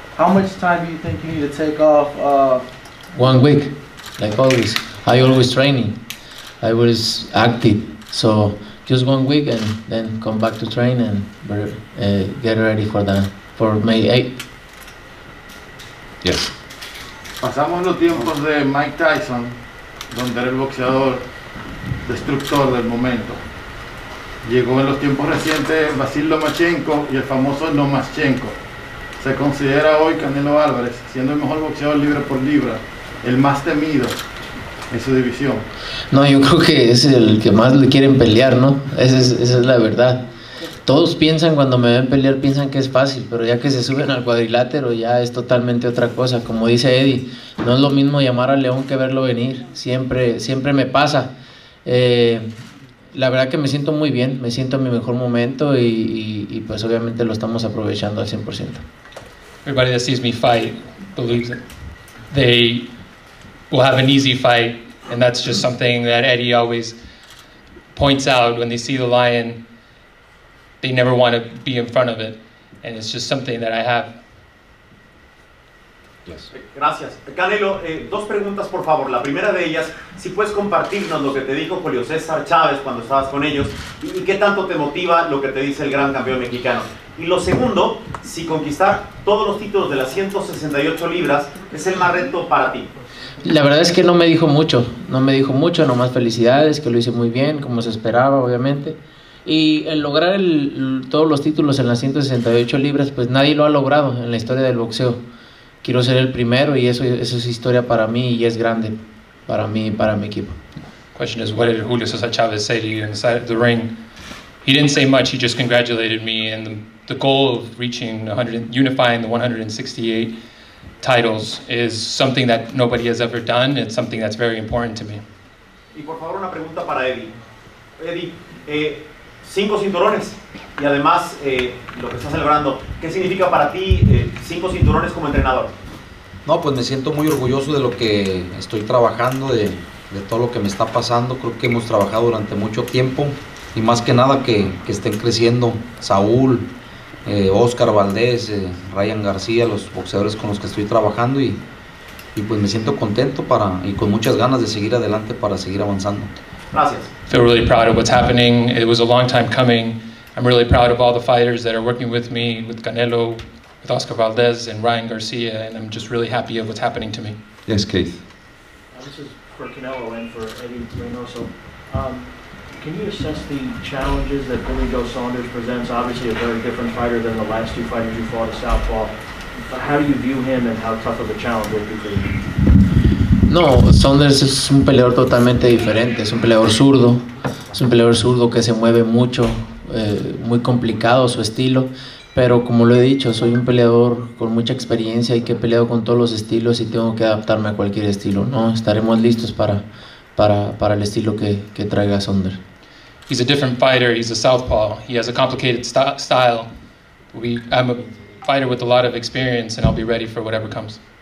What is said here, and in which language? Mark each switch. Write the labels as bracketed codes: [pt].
[en] How much time do you think you need to take off? 1 week, like always. I always training. I was active. So just 1 week and then come back to train and get ready for the for May 8th. Yes. [es] Pasamos los tiempos de Mike Tyson, donde era el boxeador destructor del momento. Llegó en los tiempos recientes Vasyl Lomachenko y el famoso Lomachenko. Se considera hoy Canelo Álvarez, siendo el mejor boxeador libra por libra, el más temido en su división. No, yo creo que es el que más le quieren pelear, ¿no? Esa es la verdad. Todos piensan, cuando me ven pelear, piensan que es fácil, pero ya que se suben al cuadrilátero ya es totalmente otra cosa. Como dice Eddie, no es lo mismo llamar al león que verlo venir. Siempre me pasa. La verdad que me siento muy bien, me siento en mi mejor momento y pues obviamente lo estamos aprovechando al 100%. [en] Everybody that sees me fight believes it. They will have an easy fight, and that's just something that Eddie always points out. When they see the lion, they never want to be in front of it, and it's just something that I have. Yes. [es] Gracias. Canelo, dos preguntas, por favor. La primera de ellas, si puedes compartirnos lo que te dijo Julio César Chávez cuando estabas con ellos, y qué tanto te motiva lo que te dice el gran campeón mexicano. Y lo segundo, si conquistar todos los títulos de las 168 libras es el más reto para ti. La verdad es que no me dijo mucho, nomás felicidades, que lo hice muy bien, como se esperaba, obviamente. Y el lograr todos los títulos en las 168 libras, pues nadie lo ha logrado en la historia del boxeo. Quiero ser el primero y eso es historia para mí y es grande para mí y para mi equipo. [en] Question is, what did Julio César Chávez say to you inside the ring? He didn't say much, he just congratulated me, and the goal of reaching 100, unifying the 168 titles is something that nobody has ever done. It's something that's very important to me. [es] Y por favor, una pregunta para Eddie. Eddie, cinco cinturones y además lo que estás celebrando, ¿qué significa para ti cinco cinturones como entrenador? No, pues me siento muy orgulloso de lo que estoy trabajando, de todo lo que me está pasando. Creo que hemos trabajado durante mucho tiempo y más que nada que estén creciendo Saúl, Oscar Valdés, Ryan García, los boxeadores con los que estoy trabajando y pues me siento contento y con muchas ganas de seguir adelante para seguir avanzando. Gracias. [en] Feel really proud of what's happening. It was a long time coming. I'm really proud of all the fighters that are working with me, with Canelo, with Oscar Valdez and Ryan Garcia, and I'm just really happy of what's happening to me. Yes, Keith. This is for Canelo and for Eddie Reynoso. Can you assess the challenges that Billy Joe Saunders presents? Obviously a very different fighter than the last two fighters you fought, a southpaw. How do you view him and how tough of a challenge would be for you? [es] No, Saunders es un peleador totalmente diferente, es un peleador zurdo que se mueve mucho, muy complicado su estilo, pero como lo he dicho, soy un peleador con mucha experiencia y que he peleado con todos los estilos y tengo que adaptarme a cualquier estilo, ¿no? Estaremos listos para el estilo que traiga Saunders. [en] He's a different fighter, he's a southpaw, he has a complicated style. I'm a fighter with a lot of experience and I'll be ready for whatever comes.